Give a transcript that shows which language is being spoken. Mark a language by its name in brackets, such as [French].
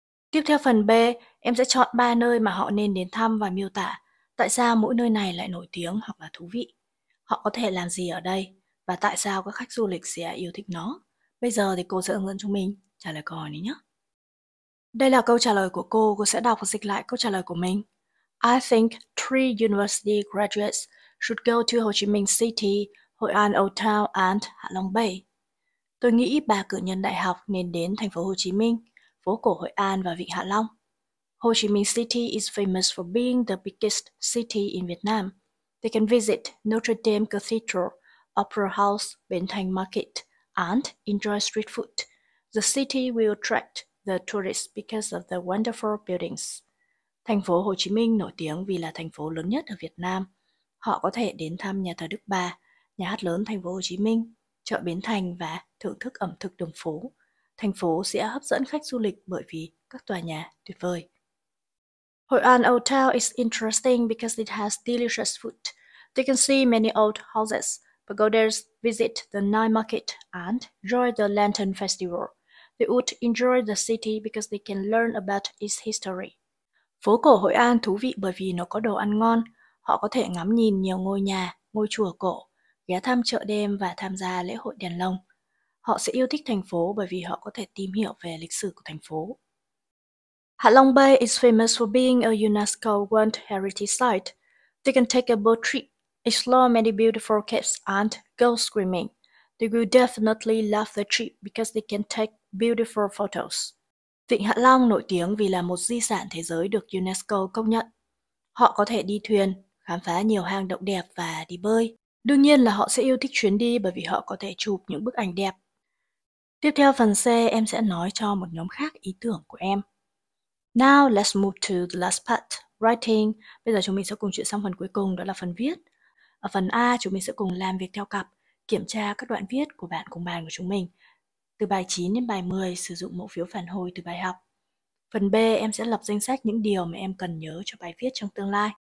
[Vietnamese] Tiếp theo phần B, em sẽ chọn 3 nơi mà họ nên đến thăm và miêu tả tại sao mỗi nơi này lại nổi tiếng hoặc là thú vị. Họ có thể làm gì ở đây và tại sao các khách du lịch sẽ yêu thích nó. Bây giờ thì cô sẽ hướng dẫn chúng mình trả lời câu hỏi này nhé. Đây là câu trả lời của cô sẽ đọc và dịch lại câu trả lời của mình. [English] I think 3 University Graduates should go to Ho Chi Minh City, Hội An Old Town and Hạ Long Bay. [Vietnamese] Tôi nghĩ 3 cử nhân đại học nên đến thành phố Hồ Chí Minh, phố cổ Hội An và Vịnh Hạ Long. [English] Ho Chi Minh City is famous for being the biggest city in Vietnam. They can visit Notre Dame Cathedral, Opera House, Bến Thành Market, and enjoy street food. The city will attract the tourists because of the wonderful buildings. [Vietnamese] Thành phố Hồ Chí Minh nổi tiếng vì là thành phố lớn nhất ở Việt Nam. Họ có thể đến thăm nhà thờ Đức Bà, nhà hát lớn thành phố Hồ Chí Minh, chợ Bến Thành và thưởng thức ẩm thực đường phố. Thành phố sẽ hấp dẫn khách du lịch bởi vì các tòa nhà tuyệt vời. [English] Hội An Old Town is interesting because it has delicious food. They can see many old houses, but go there, visit the night market and enjoy the Lantern Festival. They would enjoy the city because they can learn about its history. [Vietnamese] Phố cổ Hội An thú vị bởi vì nó có đồ ăn ngon. Họ có thể ngắm nhìn nhiều ngôi nhà, ngôi chùa cổ, ghé thăm chợ đêm và tham gia lễ hội đèn lồng. Họ sẽ yêu thích thành phố bởi vì họ có thể tìm hiểu về lịch sử của thành phố. [English] Hạ Long Bay is famous for being a UNESCO World Heritage Site. They can take a boat trip, explore many beautiful caves and go swimming. They will definitely love the trip because they can take beautiful photos. [Vietnamese] Vịnh Hạ Long nổi tiếng vì là một di sản thế giới được UNESCO công nhận. Họ có thể đi thuyền, khám phá nhiều hang động đẹp và đi bơi. Đương nhiên là họ sẽ yêu thích chuyến đi bởi vì họ có thể chụp những bức ảnh đẹp. Tiếp theo phần C, em sẽ nói cho một nhóm khác ý tưởng của em. [English] Now let's move to the last part, writing. [Vietnamese] Bây giờ chúng mình sẽ cùng chuyển sang phần cuối cùng, đó là phần viết. Ở phần A, chúng mình sẽ cùng làm việc theo cặp, kiểm tra các đoạn viết của bạn cùng bàn của chúng mình. Từ bài 9 đến bài 10, sử dụng mẫu phiếu phản hồi từ bài học. Phần B, em sẽ lập danh sách những điều mà em cần nhớ cho bài viết trong tương lai.